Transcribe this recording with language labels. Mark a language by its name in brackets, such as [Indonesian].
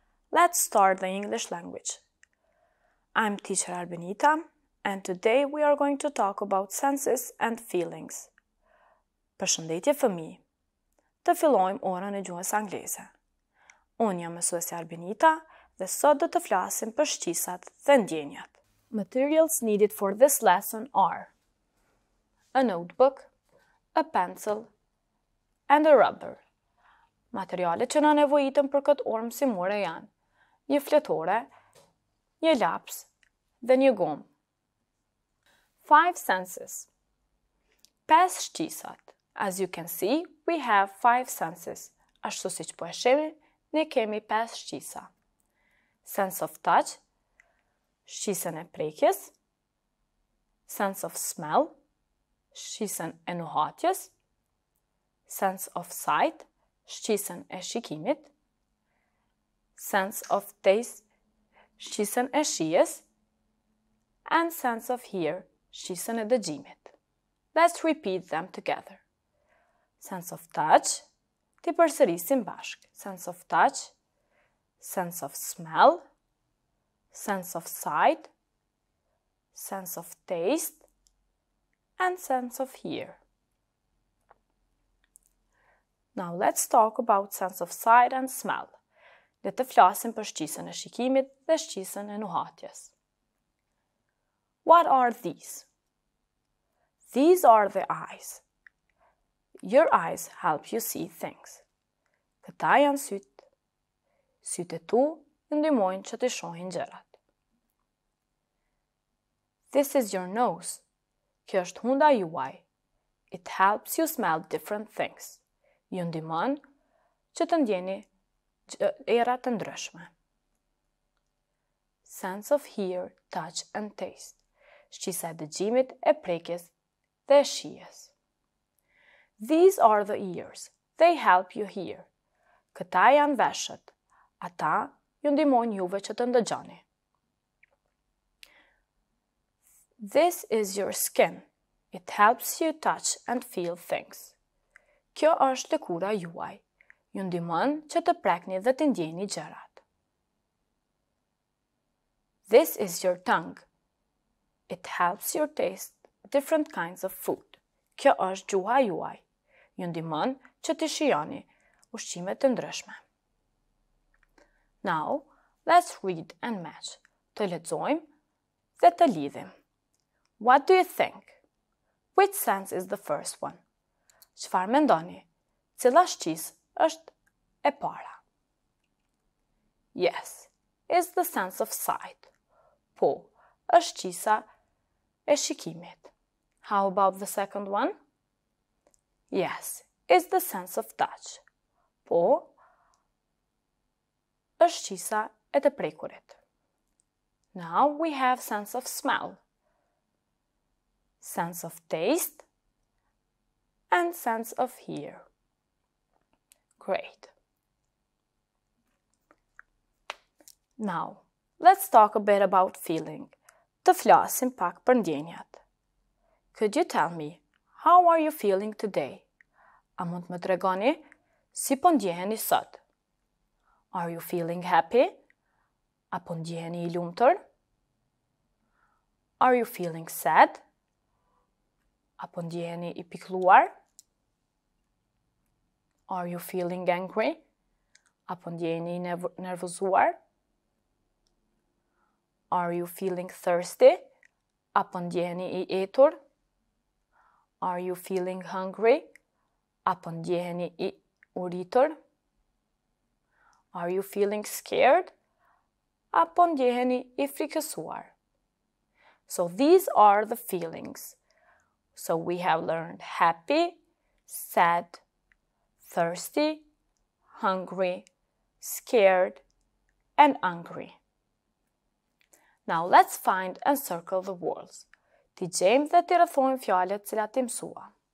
[English] Let's start the English language. I'm teacher Albenita, and today we are going to talk about senses and feelings. [Albanian] Përshëndetje fëmijë. Të fillojmë orën e gjuhës angleze. Unë jam mësuesja Albenita dhe sot do të flasim për shqisat dhe ndjenjat. [English] Materials needed for this lesson are a notebook, a pencil, and a rubber. [Albanian] Materialet që na nevojitëm për këtë orë mësimore janë një fletore, një laps dhe një gomë. [English] Five senses. [Albanian] Pes shqisat. [English] As you can see, we have five senses. [Albanian] Ashtu siç po e shihni, ne kemi pes shqisa. [English] Sense of touch, [Albanian] shqisën e prekjes. [English] Sense of smell, [Albanian] shqisën e nuhatjes. [English] Sense of sight, [Albanian] shqisën e shikimit. [English] Sense of taste, [Albanian] shqisën e shijes. [English] And sense of hear, [Albanian] shqisën e dëgjimit. [English] Let's repeat them together. Sense of touch, [Albanian] ti përsërisim bashk. [English] Sense of touch, sense of smell, sense of sight, sense of taste, and sense of hear. Now let's talk about sense of sight and smell. [Albanian] Le të flasim për shqisën e shikimit dhe shqisën e nuhatjes. [English] What are these? These are the eyes. Your eyes help you see things. [Albanian] Këta janë sytë. Sytë tu ndihmojnë që të shohin gjërat. [English] This is your nose. [Albanian] Kjo është hunda juaj. [English] It helps you smell different things. [Albanian] Ju ndihmon që të ndjeni era të ndryshme. [English] Sense of hear, touch and taste. [Albanian] Shqisa e dëgjimit, e prekjes dhe e shijes. [English] These are the ears. They help you hear. [Albanian] Këta janë veshët. Ata ju ndihmojnë juve që të ndëgjoni. [English] This is your skin. It helps you touch and feel things. [Albanian] Kjo është lëkura juaj. Ju ndihmon që të prekni dhe të ndjeni gjërat. [English] This is your tongue. It helps you taste different kinds of food. [Albanian] Kjo është gjuha juaj. Ju ndihmon që të shijoni ushqime të ndryshme. [English] Now, let's read and match. [Albanian] Të lexojmë dhe të lidhim. [English] What do you think? Which sense is the first one? [Albanian] Çfarë mendoni? Cila shqisë është e para? [English] Yes, it's the sense of sight. [Albanian] Po, është shqisa e shikimit. [English] How about the second one? Yes, it's the sense of touch. [Albanian] Po, është shqisa e të prekurit. [English] Now we have sense of smell, sense of taste, and sense of hear. Great. Now, let's talk a bit about feeling. [Albanian] Të flasim pak për ndjenjat. [English] Could you tell me, how are you feeling today? [Albanian] A mund më tregoni si po ndjeheni sot? [English] Are you feeling happy? [Albanian] A po ndjeheni I lumtur? [English] Are you feeling sad? [Albanian] A po ndjeheni I pikluar? [English] Are you feeling angry? [Albanian] A po ndjeheni nervozuar? [English] Are you feeling thirsty? [Albanian] A po ndjeheni I etur? [English] Are you feeling hungry? [Albanian] Apo ndjeheni I uritur? [English] Are you feeling scared? [Albanian] Apo ndjeheni I frikësuar? [English] So these are the feelings. So we have learned happy, sad, thirsty, hungry, scared, and angry. Now let's find and circle the words. [Albanian] Ti gjejmë dhe ti rrëthojmë fjalët që ti mësua.